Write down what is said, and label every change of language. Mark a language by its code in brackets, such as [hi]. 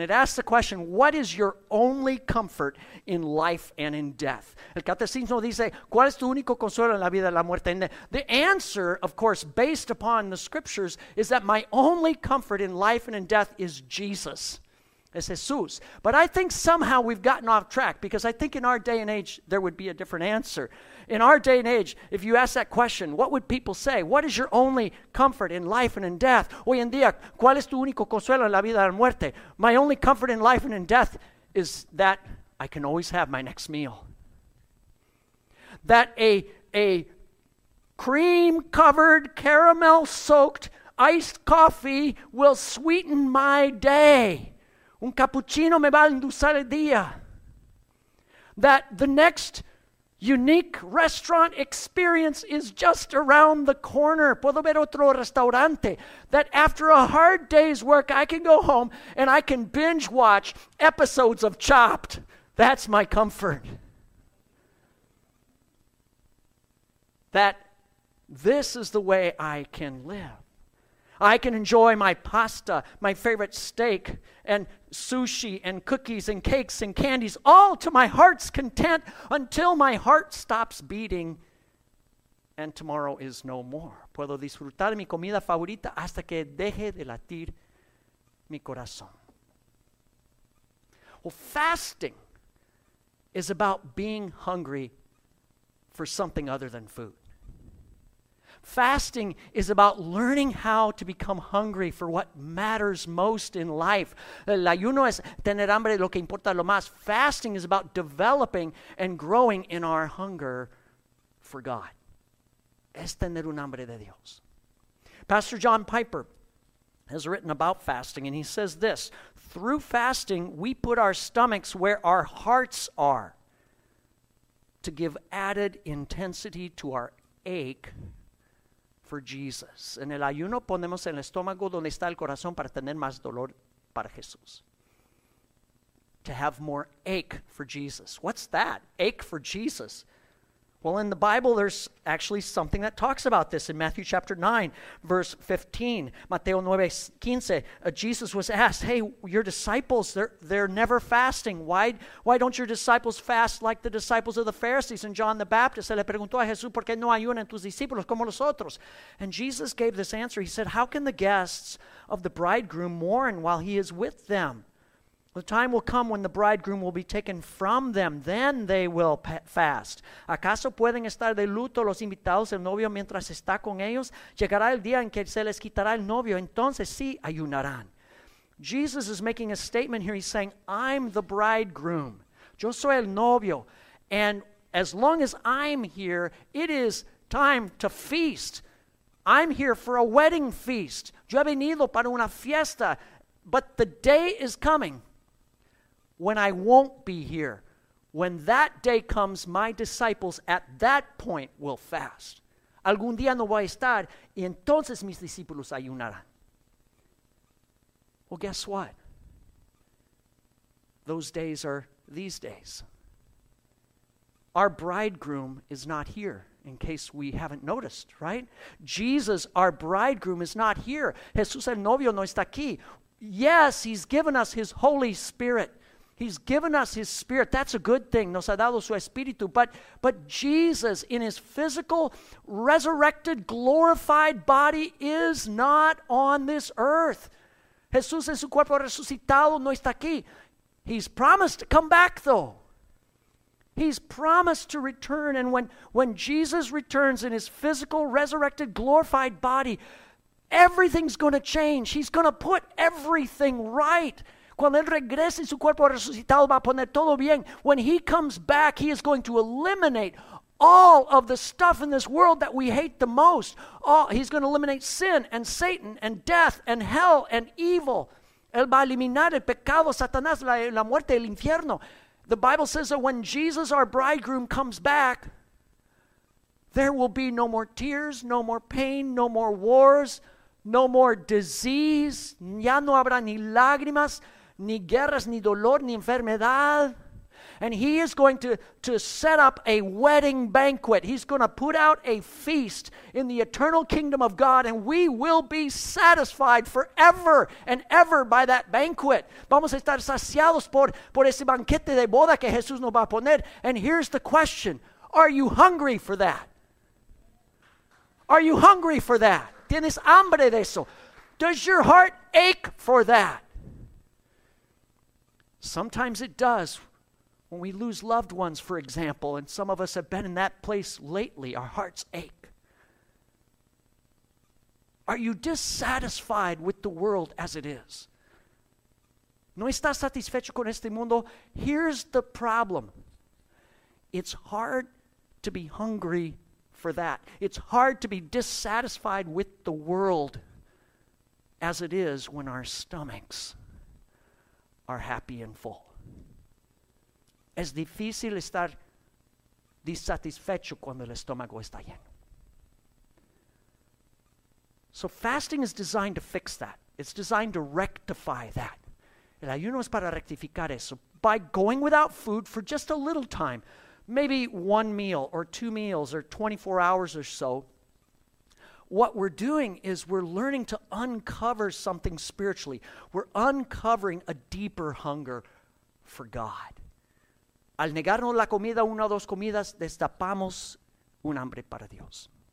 [en] It asked the question, what is your only comfort in life and in death? [es] El catecismo dice, ¿cuál es tu único consuelo en la vida y la muerte? [en] The answer, of course, based upon the scriptures, is that my only comfort in life and in death is Jesus. [es] Es Jesús. [en] But I think somehow we've gotten off track because I think in our day and age, there would be a different answer. In our day and age, if you ask that question, what would people say? What is your only comfort in life and in death? [es] Hoy en día, ¿cuál es tu único consuelo en la vida y la muerte? [en] My only comfort in life and in death is that I can always have my next meal. That a cream-covered, caramel-soaked, iced coffee will sweeten my day. [es] Un cappuccino me va a endulzar el día. [en] That the next unique restaurant experience is just around the corner. [es] Puedo ver otro restaurante. [en] That after a hard day's work, I can go home and I can binge watch episodes of Chopped. That's my comfort. That this is the way I can live. I can enjoy my pasta, my favorite steak, and sushi, and cookies, and cakes, and candies, all to my heart's content until my heart stops beating and tomorrow is no more. [es] Puedo disfrutar mi comida favorita hasta que deje de latir mi corazón. [en] Well, fasting is about being hungry for something other than food. Fasting is about learning how to become hungry for what matters most in life. [es] El ayuno es tener hambre lo que importa lo más. [en] Fasting is about developing and growing in our hunger for God. [es] Es tener un hambre de Dios. [en] Pastor John Piper has written about fasting, and he says this: through fasting, we put our stomachs where our hearts are to give added intensity to our ache for Jesus. [es] En el ayuno ponemos el estómago donde está el corazón para tener más dolor para Jesús. [en] To have more ache for Jesus. What's that? Ache for Jesus. Well, in the Bible, there's actually something that talks about this. In Matthew chapter 9, verse 15, Mateo 9, 15, Jesus was asked, hey, your disciples, they're never fasting. Why don't your disciples fast like the disciples of the Pharisees and John the Baptist? [es] Se le preguntó a Jesús, ¿por qué no ayunan tus discípulos como los otros? [en] And Jesus gave this answer. He said, how can the guests of the bridegroom mourn while he is with them? The time will come when the bridegroom will be taken from them. Then they will fast. [es] ¿Acaso pueden estar de luto los invitados del novio mientras está con ellos? Llegará el día en que se les quitará el novio. Entonces sí ayunarán. [en] Jesus is making a statement here. He's saying, I'm the bridegroom. [es] Yo soy el novio. [en] And as long as I'm here, it is time to feast. I'm here for a wedding feast. [es] Yo he venido para una fiesta. [en] But the day is coming when I won't be here. When that day comes, my disciples at that point will fast. [es] Algún día no voy a estar, y entonces mis discípulos ayunarán. [en] Well, guess what? Those days are these days. Our bridegroom is not here, in case we haven't noticed, right? Jesus, our bridegroom, is not here. [es] Jesús el novio no está aquí. [en] Yes, he's given us his Holy Spirit. He's given us his spirit. That's a good thing. [es] Nos ha dado su espíritu. [en] But Jesus, in his physical, resurrected, glorified body, is not on this earth. [es] Jesús en su cuerpo resucitado no está aquí. [en] He's promised to come back, though. He's promised to return. And when Jesus returns in his physical, resurrected, glorified body, everything's going to change. He's going to put everything right. [es] Cuando él regrese en su cuerpo resucitado va a poner todo bien. [en] When he comes back, he is going to eliminate all of the stuff in this world that we hate the most. He's going to eliminate sin and Satan and death and hell and evil. [es] Él va a eliminar el pecado, Satanás, la muerte, el infierno. [en] The Bible says that when Jesus, our bridegroom, comes back, there will be no more tears, no more pain, no more wars, no more disease. [es] Ya no habrá ni lágrimas, ni guerras, ni dolor, ni enfermedad. [en] And he is going to set up a wedding banquet. He's going to put out a feast in the eternal kingdom of God, and we will be satisfied forever and ever by that banquet. [es] Vamos a estar saciados por ese banquete de boda que Jesús nos va a poner. [en] And here's the question. Are you hungry for that? Are you hungry for that? [es] ¿Tienes hambre de eso? [en] Does your heart ache for that? Sometimes it does. When we lose loved ones, for example, and some of us have been in that place lately, our hearts ache. Are you dissatisfied with the world as it is? [es] ¿No estás satisfecho con este mundo? [en] Here's the problem. It's hard to be hungry for that. It's hard to be dissatisfied with the world as it is when our stomachs are happy and full. [es] Es difícil estar dissatisfecho cuando el estómago está lleno. [en] So fasting is designed to fix that. It's designed to rectify that. [es] El ayuno es para rectificar eso. [en] By going without food for just a little time, maybe one meal or two meals or 24 hours or so, what we're doing is we're learning to uncover something spiritually. We're uncovering a deeper hunger for God. [es] Al negarnos la comida, una o dos comidas, destapamos un hambre para Dios.